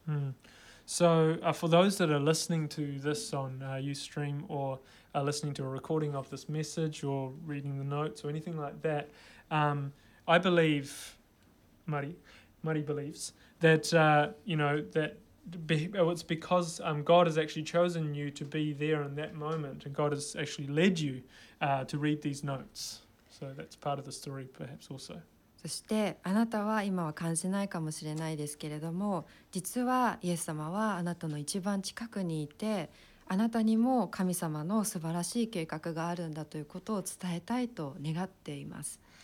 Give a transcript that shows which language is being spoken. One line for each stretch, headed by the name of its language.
English: うん。 So, for those that are listening to this on Ustream or are listening to a recording of this message or reading the notes or anything like that, I believe, Mari believes, that, that it's because God has actually chosen you to be there in that moment and God has actually led you to read these notes. So that's part of the story perhaps also.
Japanese: そしてあなたは今は感じないかもしれないですけれども、実はイエス様はあなたの一番近くにいて、あなたにも神様の素晴らしい計画があるんだということを伝えたいと願っています。